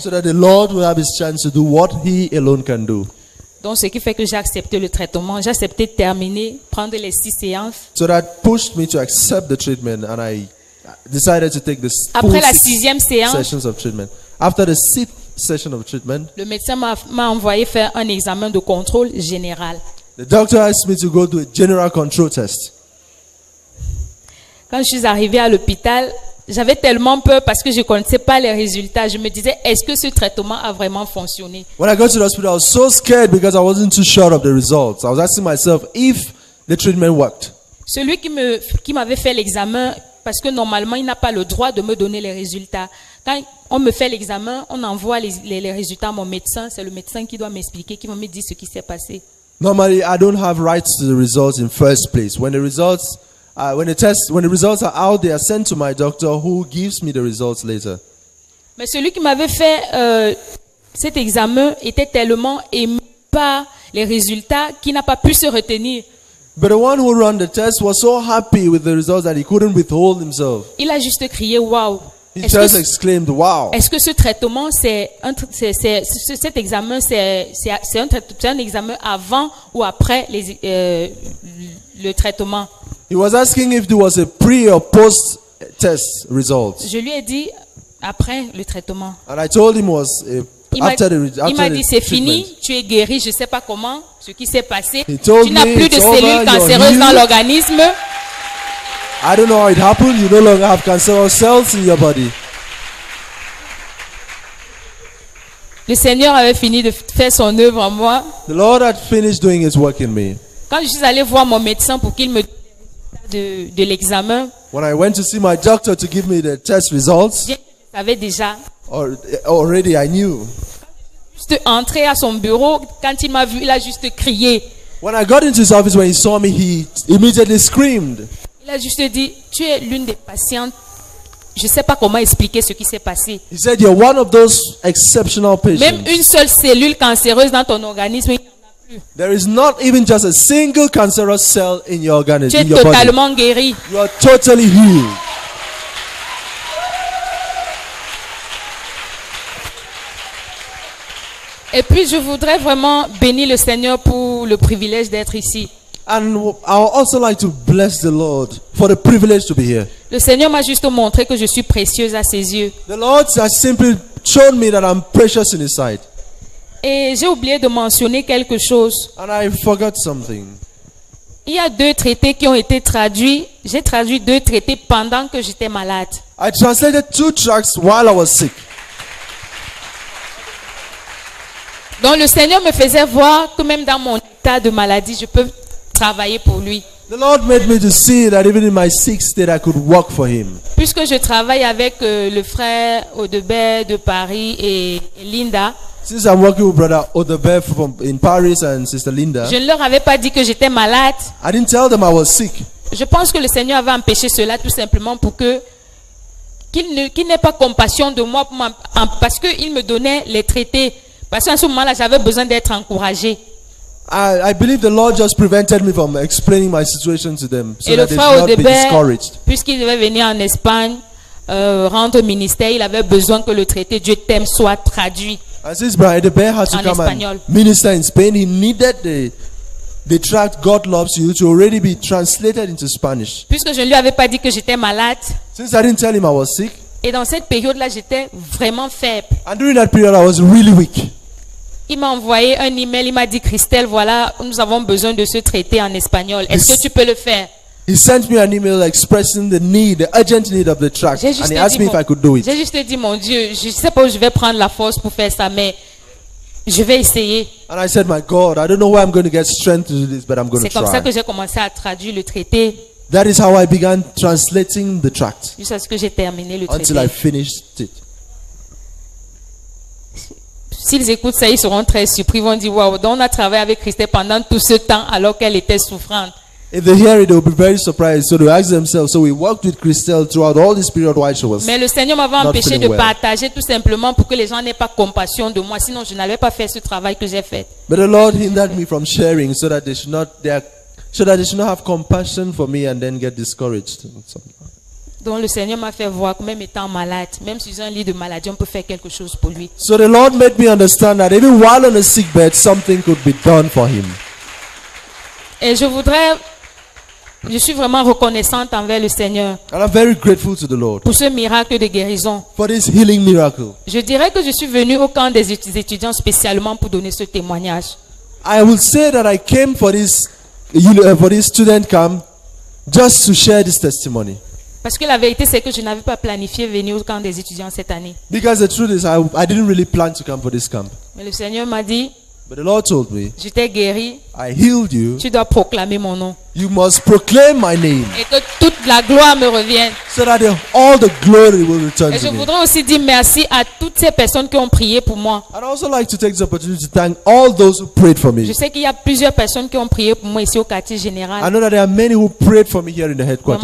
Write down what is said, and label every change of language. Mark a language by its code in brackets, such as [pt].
[en] So that the Lord will have his chance to do what he alone can do. [fr] Donc ce qui fait que j'ai accepté le traitement, j'ai accepté de terminer, prendre les 6 séances. [en] So that pushed me to accept the treatment and I decided to take the [fr] après la 6e séance, [en] sessions of treatment. After the 6th session of treatment, [fr] le médecin m'a envoyé faire un examen de contrôle général. [en] The doctor asked me to go do a general control test. [fr] Quand je suis arrivée à l'hôpital, j'avais tellement peur parce que je ne connaissais pas les résultats. Je me disais, est-ce que ce traitement a vraiment fonctionné? [en] When I got to the hospital, I was so scared because I wasn't too sure of the results. I was asking myself if the treatment worked. [fr] Celui qui m'avait fait l'examen, parce que normalement, il n'a pas le droit de me donner les résultats. Quand on me fait l'examen, on envoie les résultats à mon médecin. C'est le médecin qui doit m'expliquer, qui va me dire ce qui s'est passé. [en] Normally, I don't have rights to the results in first place. When the results are out, they are sent to my doctor, who gives me the results later. [fr] Mais celui qui m'avait fait cet examen était tellement ému par les résultats qu'il n'a pas pu se retenir. [en] But the one who ran the test was so happy with the results that he couldn't withhold himself. [fr] Il a juste crié, wow. [en] He just exclaimed, wow. [fr] Est-ce que ce traitement, cet examen, c'est un examen avant ou après le traitement? [en] He was asking if there was a pre or post test result. [fr] Je lui ai dit après le traitement. [en] And I told him it was after the treatment. [fr] C'est fini, tu es guéri, je sais pas comment ce qui s'est passé. Tu n'as plus de cellules cancéreuses dans l'organisme. [en] I don't know how it happened. You no longer have cancerous cells in your body. [fr] Le Seigneur avait fini de faire son œuvre en moi. [en] The Lord had finished doing his work in me. [fr] Quand je suis allé voir mon médecin pour qu'il me de l'examen. [en] When I went to see my doctor to give me the test results. [fr] Je savais déjà. [en] Already I knew. [fr] Juste entré à son bureau quand il m'a vu, il a juste crié. [en] When I got into his office when he saw me, he immediately screamed. [fr] Il a juste dit, tu es l'une des patientes. Je ne sais pas comment expliquer ce qui s'est passé. [en] He said you're one of those exceptional patients. [fr] Même une seule cellule cancéreuse dans ton organisme, il n'y en a plus. [en] There is not even just a single cancerous cell in your organism. [fr] Tu es totalement guéri. [en] You are totally healed. [fr] Et puis je voudrais vraiment bénir le Seigneur pour le privilège d'être ici. [en] And I would also like to bless the Lord for the privilege to be here. [fr] Le Seigneur m'a juste montré que je suis précieuse à ses yeux. [en] The Lord has simply shown me that I'm precious in His sight. [fr] Et j'ai oublié de mentionner quelque chose. [en] And I forgot something. [fr] Il y a deux traités qui ont été traduits. J'ai traduit deux traités pendant que j'étais malade. [en] I translated two tracts while I was sick. [fr] Donc le Seigneur me faisait voir que même dans mon état de maladie, je peux travailler pour lui. [en] The Lord made me to see that even in my sick state I could work for him. [fr] Puisque je travaille avec le frère Audebert de Paris et Linda. [en] Since I'm working with brother Audebert from in Paris and sister Linda. [fr] Je ne leur avais pas dit que j'étais malade. [en] I didn't tell them I was sick. [fr] Je pense que le Seigneur avait empêché cela tout simplement pour que qu'il n'ait pas compassion de moi pour parce que il me donnait les traités parce qu'en ce moment-là j'avais besoin d'être encouragé. [en] I believe the Lord just prevented me from explaining my situation to them so that they should not be discouraged. [fr] Puisqu'il devait venir en Espagne rendre ministère, il avait besoin que le traité Dieu t'aime soit traduit. [en] And since Brian Debert had to come and minister in Spain, he needed the tract God loves you to already be translated into Spanish. [fr] Puisque je ne lui avais pas dit que j'étais malade. [en] Since I didn't tell him I was sick. [fr] Et dans cette période-là, j'étais vraiment faible. [en] And during that period, I was really weak. [fr] Il m'a envoyé un email, il m'a dit Christelle, voilà, nous avons besoin de ce traité en espagnol. Est-ce que tu peux le faire? [en] He sent me an email expressing the need, the urgent need of the tract, and he asked me if I could do it. [fr] J'ai juste dit mon Dieu, je sais pas où je vais prendre la force pour faire ça, mais je vais essayer. [en] And I said, my God, I don't know where I'm going to get strength to do this, but I'm going to try. [fr] C'est comme ça que j'ai commencé à traduire le traité. [en] That is how I began translating the tract. [fr] Jusqu'à ce que j'ai terminé le traité. [en] Until I finished it. [fr] S'ils écoutent ça, ils seront très surpris. Ils vont dire, waouh, donc on a travaillé avec Christelle pendant tout ce temps alors qu'elle était souffrante. [en] If they hear it, they will be very surprised. So they ask themselves, so we worked with Christelle throughout all this period while she was. [fr] Mais le Seigneur m'avait empêché de partager tout simplement pour que les gens n'aient pas compassion de moi. Sinon, je n'allais pas faire ce travail que j'ai fait. [en] But the Lord hindered me from sharing so that they should not, have compassion for me and then get discouraged. [fr] Donc le Seigneur m'a fait voir que même étant malade, même si j'ai un lit de maladie, on peut faire quelque chose pour lui. [en] So the Lord made me understand that even while on a sick bed, something could be done for him. [fr] Et je suis vraiment reconnaissante envers le Seigneur. [en] And I'm very grateful to the Lord. [fr] Pour ce miracle de guérison. [en] For this healing miracle. [fr] Je dirais que je suis venu au camp des étudiants spécialement pour donner ce témoignage. [en] I will say that I came for this student camp just to share this testimony. [fr] Parce que la vérité c'est que je n'avais pas planifié venir au camp des étudiants cette année. [en] Because the truth is I didn't really plan to come for this camp. [fr] Mais le Seigneur m'a dit. [en] But the Lord told me. [fr] Je t'ai guéri. [en] I healed you. [fr] Tu dois proclamer mon nom. [en] You must proclaim my name. [fr] Et que toute la gloire me revienne. [en] So that all the glory will return to me. [fr] Et je voudrais aussi dire merci à toutes ces personnes qui ont prié pour moi. [en] I'd also like to take this opportunity to thank all those who prayed for me. [fr] Je sais qu'il y a plusieurs personnes qui ont prié pour moi ici au quartier général. [en] I know that there are many who prayed for me here in the headquarters.